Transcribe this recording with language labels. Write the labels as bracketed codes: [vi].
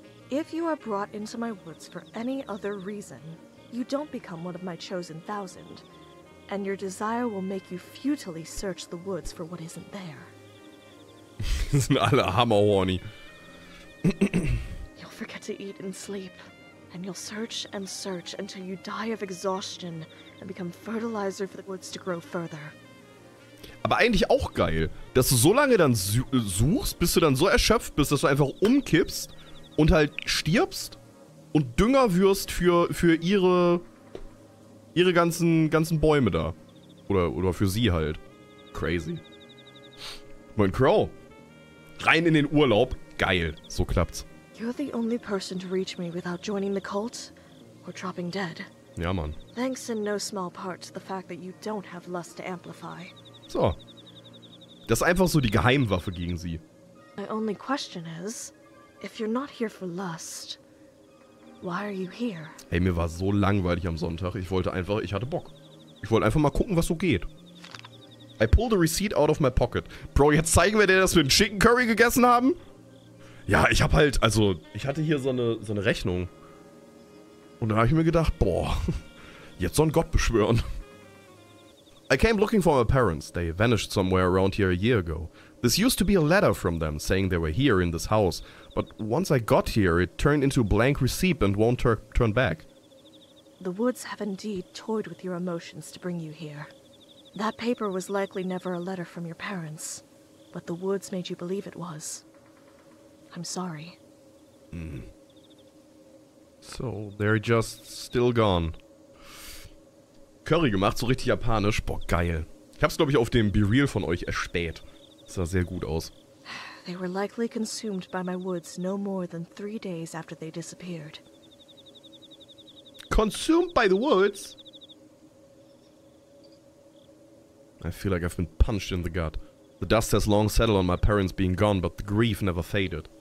[en] If you are brought into my woods for any other reason, you don't become one of my chosen thousand, and your desire will make you futilely search the woods for what isn't there. [de] Die sind alle hammerhorny. [en] You'll forget to eat and sleep, and you'll search and search until you die of exhaustion and become fertilizer for the woods to grow further. [de] Aber eigentlich auch geil, dass du so lange dann suchst, bis du dann so erschöpft bist, dass du einfach umkippst und halt stirbst und Dünger wirst für ihre ganzen Bäume da. Oder für sie halt. [en] Crazy. [de] Mein Crow. Rein in den Urlaub. Geil. So klappt's. [en] You're the only person to reach me without joining the cult or dropping dead. [de] Ja, Mann. [en] Thanks in no small part to the fact that you don't have lust to amplify. So. [de] Das ist einfach so die Geheimwaffe gegen sie. [en] My only question is, if you're not here for lust, why are you here? [de] Hey, mir war so langweilig am Sonntag. Ich hatte Bock. Ich wollte einfach mal gucken, was so geht. [en] I pulled a receipt out of my pocket. [de] Bro, jetzt zeigen wir dir, dass wir einen Chicken Curry gegessen haben. Ja, ich hab halt, also, ich hatte hier so eine Rechnung. Und dann habe ich mir gedacht, boah, jetzt soll ein Gott beschwören. [en] I came looking for my parents. They vanished somewhere around here a year ago. This used to be a letter from them saying they were here in this house. But once I got here, it turned into a blank receipt and won't turn back. The woods have indeed toyed with your emotions to bring you here. That paper was likely never a letter from your parents, but the woods made you believe it was. I'm sorry. So, they're just still gone. [de] Curry gemacht, so richtig japanisch. Boah, geil. Ich hab's, glaube ich, auf dem BeReal von euch erspäht. Sah sehr gut aus. [en] They were likely consumed by my woods no more than 3 days after they disappeared. Consumed by the woods? I feel like I've been punched in the gut. The dust has long settled on my parents being gone, but the grief never faded.